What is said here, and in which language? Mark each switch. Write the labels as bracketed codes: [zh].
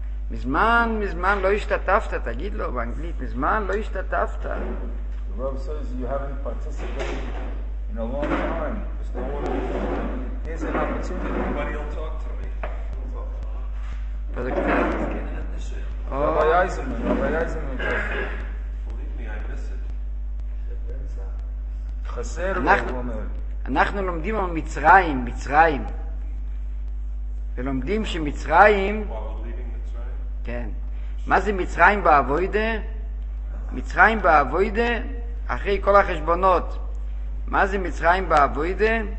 [he] מזמן לא השתתפת, תגיד לו באנגלית, מזמן לא השתתפת. [en] Rob says you haven't participated in a long time. It's the one that's going to be Here's an opportunity. Everybody will talk to me. [he] אנחנו לומדים על מצרים, מצרים. ולומדים שמצרים... כן. מה זה מצרים באבוידה? מצרים באבוידה, אחרי כל החשבונות, מה זה מצרים באבוידה?